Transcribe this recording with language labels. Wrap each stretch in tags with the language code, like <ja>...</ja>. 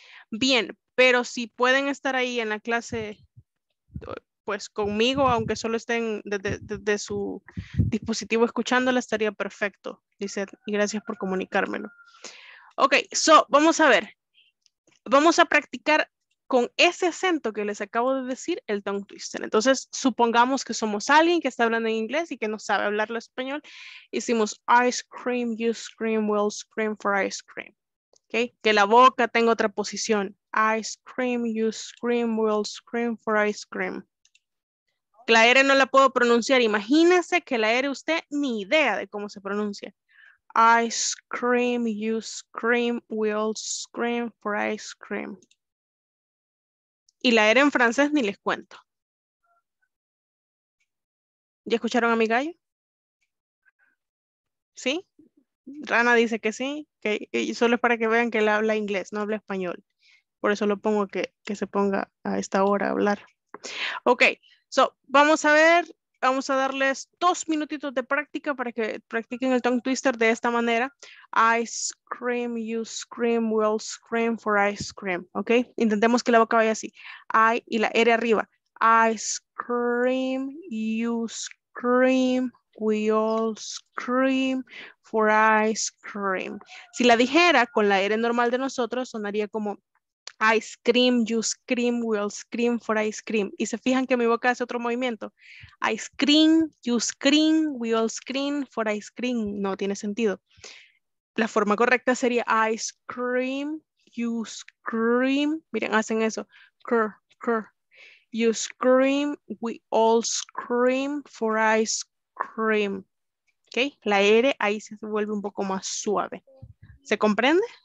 <es>Bien, pero si pueden estar ahí en la clase... pues conmigo, aunque solo estén de su dispositivo escuchándola, estaría perfecto. Dice, y gracias por comunicármelo. Ok,</es> <en>so,</en> <es>vamos a ver. Vamos a practicar con ese acento que les acabo de decir, el tongue twister. Entonces, supongamos que somos alguien que está hablando en inglés y que no sabe hablarlo español. Hicimos</es> <en>ice cream, you scream, we'll scream for ice cream. Ok,</en> <es>que la boca tenga otra posición.</es> <en>Ice cream, you scream, we'll scream for ice cream.</en> <es>La R no la puedo pronunciar. Imagínese que la R usted ni idea de cómo se pronuncia.</es> <en>Ice cream, you scream, we all scream for ice cream.</en> <es>Y la R en francés ni les cuento. ¿Ya escucharon a mi gallo? ¿Sí? Rana dice que sí. Que, y solo es para que vean que él habla inglés, no habla español. Por eso lo pongo que se ponga a esta hora a hablar. Ok.</es> <en>So,</en> <es>vamos a ver vamos a darles 2 minutitos de práctica para que practiquen el tongue twister de esta manera.</es> <en>Ice cream, you scream, we'll scream for ice cream. ¿Ok?</en> <es>Intentemos que la boca vaya así. I y la R arriba.</es> <en>Ice cream, you scream, we all scream for ice cream.</en> <es>Si la dijera con la R normal de nosotros, sonaría como</es> <en>ice cream, you scream, we all scream for ice cream.</en> <es>Y se fijan que mi boca hace otro movimiento.</es> <en>Ice cream, you scream, we all scream for ice cream.</en> <es>No tiene sentido. La forma correcta sería</es> <en>ice cream, you scream.</en> <es>Miren, hacen eso. Cr, cr.</es> <en>You scream, we all scream for ice cream.</en> <es>¿Ok? La R ahí se vuelve un poco más suave. ¿Se comprende?</es>